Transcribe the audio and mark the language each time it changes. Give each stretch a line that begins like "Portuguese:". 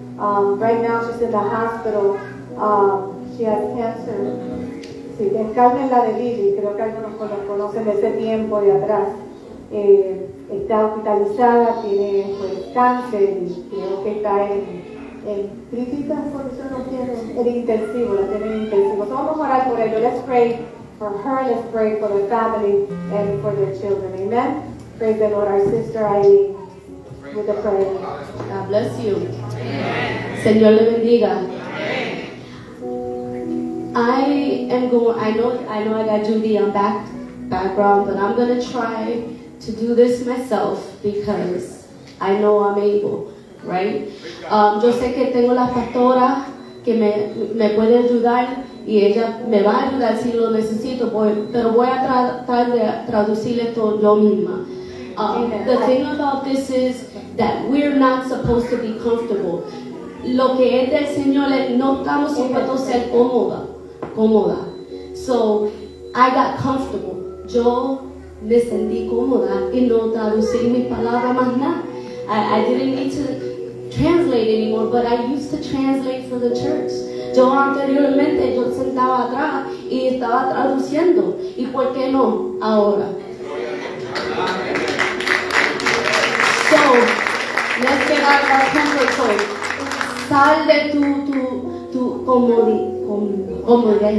English: Right now she's in the hospital. She has cancer.
Spanish: Sí, es Carmen la de Lili, creo que algunos los conocen de ese tiempo de atrás. Está hospitalizada, tiene pues, cáncer y creo que está en crítica, por eso no tiene el intensivo, la tiene en intensivo. So vamos a orar por ello.
English: Let's pray for her, let's pray for the family and for their children. Amen. Pray the Lord, our sister Eileen, with the prayer. God bless you. Amen.
Spanish: Señor le bendiga.
English: I know I got Judy on background, but I'm gonna try to do this myself because I know I'm able, right?
Spanish: Yo sé que tengo la pastora que me puede ayudar y ella me va a ayudar si lo necesito, pero voy a tratar de traducir esto yo misma.
English: The thing about this is that we're not supposed to be comfortable.
Spanish: Lo que es del Señor, no estamos supuestos a ser cómoda.
English: So I got comfortable.
Spanish: Yo me sentí cómoda y no traducí mi palabra más nada.
English: I didn't need to translate anymore, but I used to translate for the church.
Spanish: Yo anteriormente yo sentaba atrás y estaba traduciendo. ¿Y por qué no ahora?
English: So let's get out of our comfort zone.
Spanish: Sal de tu comodidad.